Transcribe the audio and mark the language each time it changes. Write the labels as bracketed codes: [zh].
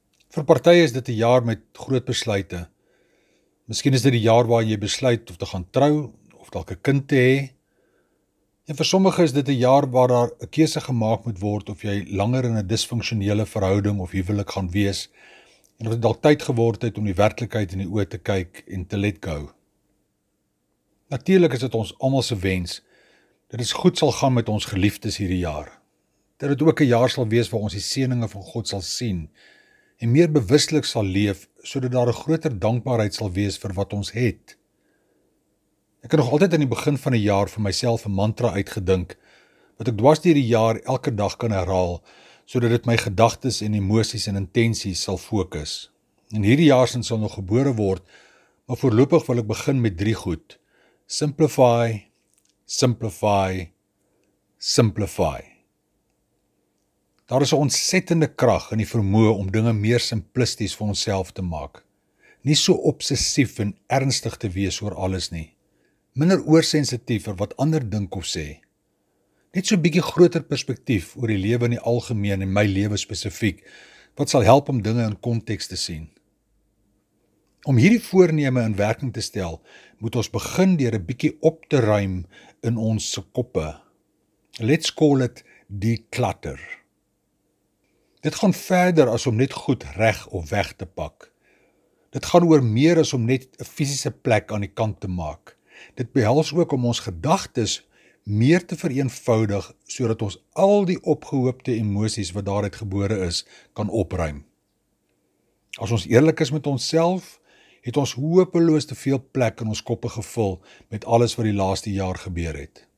[af] Vir partye is dit 'n jaar met groot besluite. Miskien is dit die jaar waar jy besluit of te gaan trou of dalk 'n kind te hê. En vir sommige is dit 'n jaar waar daar 'n keuse gemaak moet word of jy langer in 'n disfunksionele verhouding of huwelik gaan wees en of dit dalk tyd geword het om die werklikheid in die oë te kyk en te [en] let go. [af] Natuurlik is dit ons almal se wens dat dit goed sal gaan met ons geliefdes hierdie jaar. Dat dit ook 'n jaar sal wees waar ons die seëninge van God sal sien en meer bewuslik sal leef sodat daar 'n groter dankbaarheid sal wees vir wat ons het. Ek het nog altyd aan die begin van die jaar vir myself 'n mantra uitgedink, wat ek dwars deur die jaar elke dag kan herhaal, sodat dit my gedagtes en emosies en intensies sal fokus. En hierdie jaar sal nog gebore word, maar voorlopig wil ek begin met 3 goed. [en] Simplify, simplify, simplify. [af] Daar is 'n ontsettende krag in die vermoë om dinge meer simplisties vir onsself te maak. Nie so obsessief en ernstig te wees oor alles nie. Minder oorsensitief vir wat ander dink of sê. Net so 'n bietjie groter perspektief oor die lewe in die algemeen en my lewe spesifiek, wat sal help om dinge in konteks te sien. Om hierdie voorneme in werking te stel, moet ons begin deur 'n bietjie op te ruim in ons se koppe. [en] Let's call it declutter. [af] Dit gaan verder as om net goed reg of weg te pak. Dit gaan oor meer as om net 'n fisiese plek aan die kant te maak. Dit behels ook om ons gedagtes meer te vereenvoudig sodat ons al die opgehoopte emosies wat daaruit gebore is, kan opruim. As ons eerlik is met onsself, het ons hopeloos te veel plek in ons koppe gevul met alles wat die laaste jaar gebeur het.